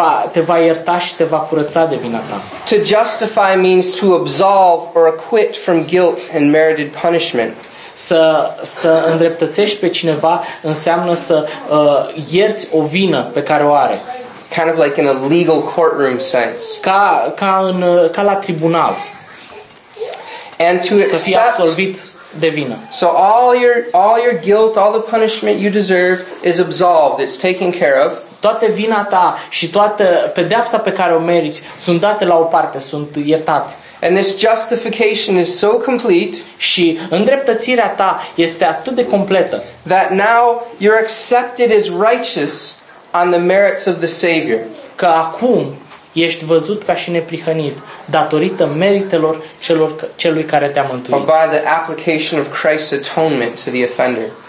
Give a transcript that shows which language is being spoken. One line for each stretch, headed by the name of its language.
Romanian: Te va ierta și te va curăța de vina ta.
English: To justify means to absolve or acquit from guilt and merited punishment.
Romanian: Să îndreptățești pe cineva înseamnă să ierți o vină pe care o are.
English: Kind of like in a legal courtroom sense.
Romanian: Ca la tribunal.
English: And to accept,
Romanian: să fie absolvit de vină.
English: So all your guilt, all the punishment you deserve is absolved. It's taken care of.
Romanian: Toată vina ta și toată pedeapsa pe care o meriți sunt date la o parte, sunt iertate.
English: And this justification is so complete,
Romanian: și îndreptățirea ta este atât de completă,
English: that now you're accepted as righteous on the merits of the Savior.
Romanian: Că acum ești văzut ca și neprihănit datorită meritelor celui care te-a mântuit.
English: Or by the application of Christ's atonement to the offender.